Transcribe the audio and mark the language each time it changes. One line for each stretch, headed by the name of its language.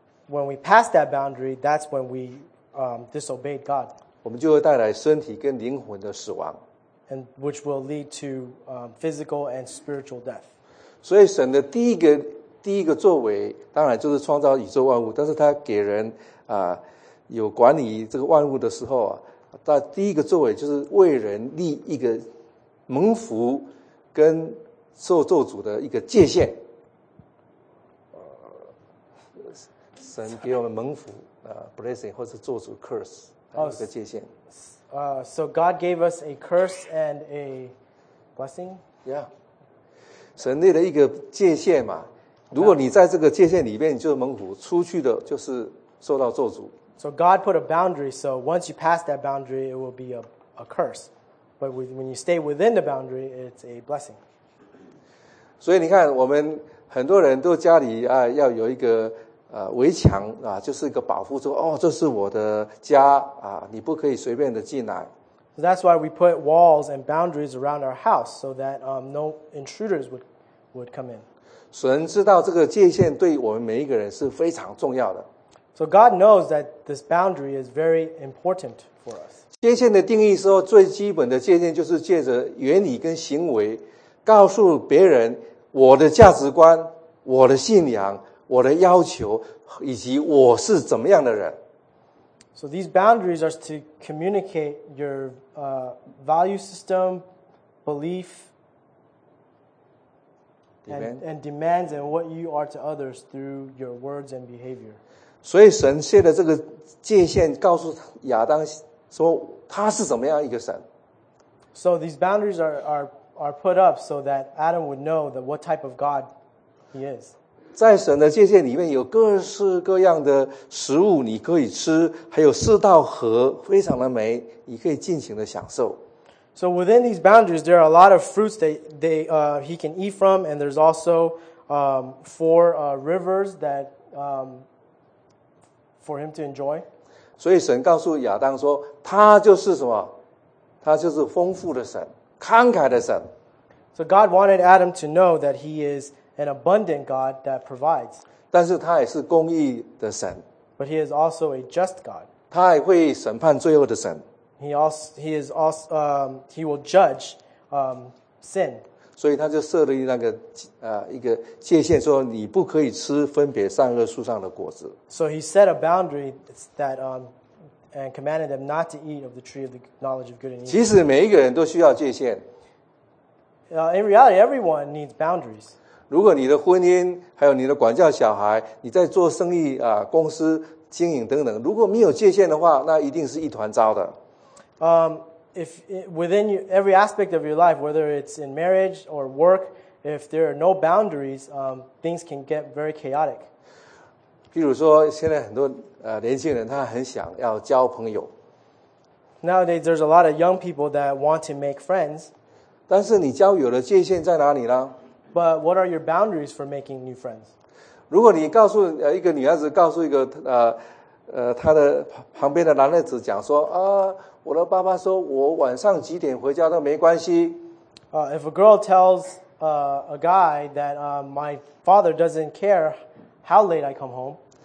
English: When we pass that boundary, that's when we disobeyed God.
Chinese: 我们就会带来身体跟灵魂的死亡。
English: And which will lead to physical and spiritual death.
Chinese: 所以神的第一个作为，当然就是创造宇宙万物，但是他给人有管理这个万物的时候，他第一个作为就是为人立一个蒙福跟受咒诅的一个界限。神给我们蒙福blessing 或是做主 curse 一个界限。
English: So God gave us a curse and a blessing. Yeah.
Chinese: 神立了一个界限嘛，如果你在这个界限里面，你就是蒙福，出去的就是受到咒诅。
English: So God put a boundary. So once you pass that boundary, it will be a curse. But when you stay within the boundary, it's a blessing.
Chinese: 所以你看，我们很多人都家里啊要有一个。围墙啊，就是一个保护，说哦，这是我的家啊，你不可以随便的进来。
English: So that's why we put walls and boundaries around our house so that no intruders would come in.
Chinese: 神知道这个界限对我们每一个人是非常重要的。
English: So God knows that this boundary is very important for us.
Chinese: 界限的定义说，最基本的界限就是借着原理跟行为，告诉别人我的价值观、我的信仰。我的要求以及我是怎么样的人。
English: So these boundaries are to communicate your value system, belief, and demands and what you are to others through your words and behavior.
Chinese: 所以神设的这个界限告诉亚当说他是怎么样一个神。
English: So these boundaries are put up so that Adam would know that what type of God he is.
Chinese: 在神的界限里面有各式各样的食物你可以吃，还有四道河非常的美，你可以尽情的享受。
English: So within these boundaries, there are a lot of fruits that he can eat from, and there's also four rivers that for him to enjoy.
Chinese: 所以神告诉亚当说，他就是什么？他就是丰富的神，慷慨的神。
English: So God wanted Adam to know that he is. An abundant God that provides.
Chinese: 但是他也是公义的神。
English: But he is also a just God.
Chinese: 他也会审判罪恶的神。
English: He will judge sin.
Chinese: 所以他就设立那个一个界限，说你不可以吃分别善恶树上的果子。
English: So he set a boundary that and commanded them not to eat of the tree of the knowledge of good and evil.
Chinese: 其实每一个人都需要界限。
English: In reality, everyone needs boundaries.
Chinese: 如果你的婚姻还有你的管教小孩，你在做生意啊，公司经营等等，如果没有界限的话，那一定是一团糟的。
English: if within you, every aspect of your life, whether it's in marriage or work, if there are no boundaries, things can get very chaotic.
Chinese: 比如说现在很多年轻人他很想要交朋友。
English: Nowadays, there's a lot of young people that want to make friends.
Chinese: 但是你交友的界限在哪里呢?
English: But what are your boundaries for making new friends?
Chinese: 如果你告诉一个女孩子，告诉一个她的旁边的男孩子讲说，我的爸爸说我晚上几点回家都没关系。
English: If a girl tells a guy that my father doesn't care how late I come home.